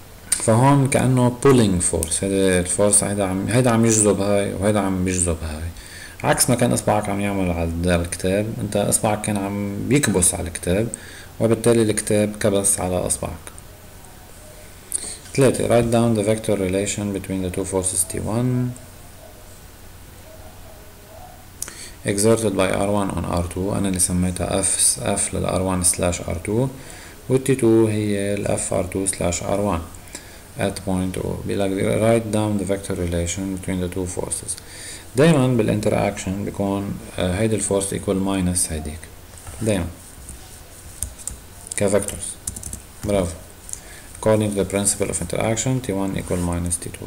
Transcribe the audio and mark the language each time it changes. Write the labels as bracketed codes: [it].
[ar] فهون كأنه pulling force، هيدا الفورس هيدا عم يجذب هاي وهيدا عم يجذب هاي، عكس ما كان اصبعك عم يعمل على الكتاب، انت اصبعك كان عم بيكبس على الكتاب وبالتالي الكتاب كبس على اصبعك. 3. [en] write down the vector relation between the two forces T1 exerted by R1 on R2. [ar] انا اللي سميتها F لل R1 slash R2 والT2 هي ال FR2 slash R1 at point O. بيلاقي [en] write down the vector relation between the two forces. [ar] دائما بالانتراكشن بيكون هيدي الفورس ايكوال ماينس هيديك دائما كفكتورز. برافو. [en] According to the principle of interaction T1 equal minus T2.